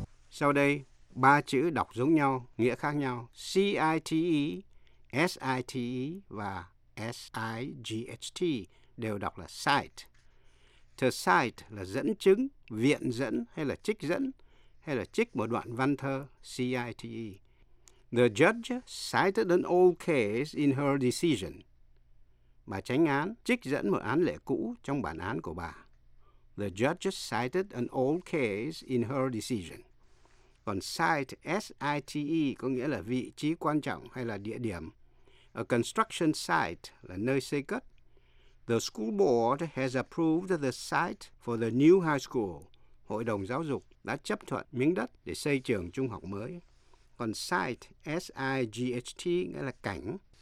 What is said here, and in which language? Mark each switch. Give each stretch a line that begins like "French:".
Vietnamese: Sau đây, ba chữ đọc giống nhau, nghĩa khác nhau, C-I-T-E, S-I-T-E và S-I-G-H-T đều đọc là cite. To cite là dẫn chứng, viện dẫn hay là trích một đoạn văn thơ, C-I-T-E.
English: The judge cited an old case in her decision.
Vietnamese: Bà chánh án trích dẫn một án lệ cũ trong bản án của bà.
English: The judge cited an old case in her decision.
Vietnamese: Còn site, S-I-T-E, có nghĩa là vị trí quan trọng hay là địa điểm.
English: A construction site
Vietnamese: là nơi xây cất.
English: The school board has approved the site for the new high school.
Vietnamese: Hội đồng giáo dục đã chấp thuận miếng đất để xây trường trung học mới. Còn site, S-I-G-H-T, nghĩa là cảnh.